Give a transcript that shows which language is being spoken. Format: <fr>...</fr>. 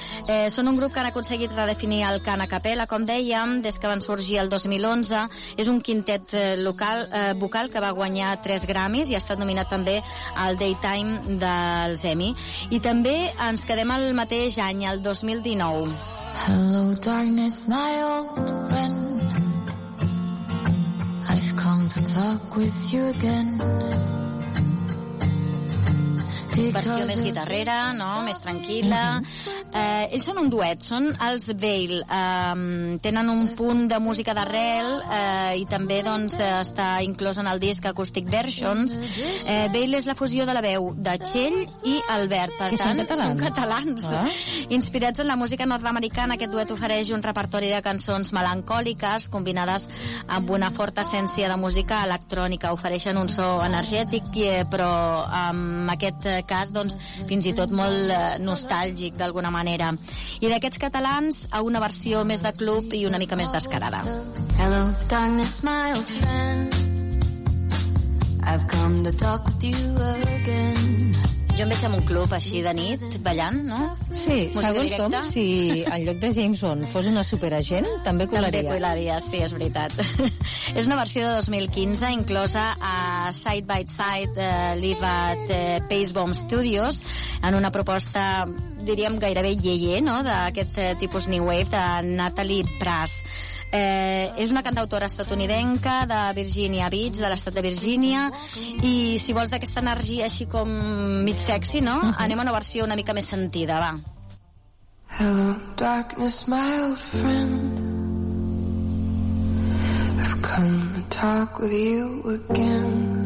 <ca>Són un grup que han aconseguit redefinir el cant a capella, com dèiem, des que van sorgir el 2011. És un quintet local, vocal, que va guanyar 3 Grammys i ha estat nominat també al Daytime dels Emmy. I també ens quedem al mateix any, el 2019.</ca> <en>Hello darkness, my old friend, I've come to talk with you again.</en> <ca>Versió més guitarrera, no? Més tranquil·la. Ells són un duet, són els Veil. Tenen un punt de música d'arrel i també, doncs, està inclòs en el disc Acoustic Versions. Veil és la fusió de la veu de Txell i Albert. Per tant, són catalans. Inspirats en la música nord-americana, aquest duet ofereix un repertori de cançons melancòliques combinades amb una forta essència de música electrònica. Ofereixen un so energètic, però amb aquest cas, doncs, fins i tot molt nostàlgic, d'alguna manera. I d'aquests catalans, a una versió més de club i una mica més descarada.</ca> <en>Hello, darkness, my old friend, I've come to talk with you again.</en> <ca>Jo em veig en un club així de nit, ballant, no? Sí, segons com, si en lloc de James Bond fos una superagent, també colaria. També colaria, sí, és veritat. És una versió de 2015, inclosa a Side by Side, live at Pace Bomb Studios, en una proposta, diríem, gairebé yeye, no?, d'aquest tipus New Wave, de Natalie Prass. És una cantautora estatunidenca de Virginia Beach, de l'estat de Virgínia, i si vols d'aquesta energia així com mig sexy, no? Anem a una versió una mica més sentida, va.</ca> <en>Hello darkness, my old friend, I've come to talk with you again.</en>